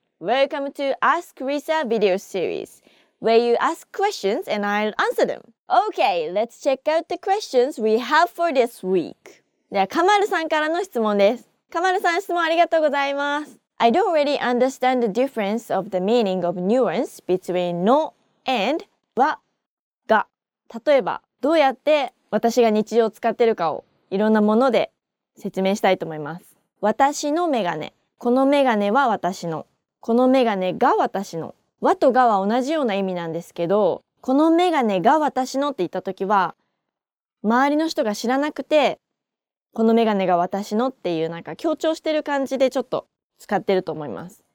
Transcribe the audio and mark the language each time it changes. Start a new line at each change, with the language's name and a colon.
English: Welcome to Ask Risa video series, where you ask questions and I'll answer them. Okay, let's check out the questions we have for this week.
Japanese: では、カマルさんからの質問です。カマルさん、質問ありがとうございます。
English: I don't really understand the difference of the meaning of nuance between の and はが。
Japanese: 例えば、どうやって私が日常使ってるかをいろんなもので説明したいと思います。私のメガネ。このメガネは私の。このメガネが私の。和とがは同じような意味なんですけど、このメガネが私のって言ったときは、周りの人が知らなくて、このメガネが私のっていうなんか強調してる感じでちょっと使ってると思います。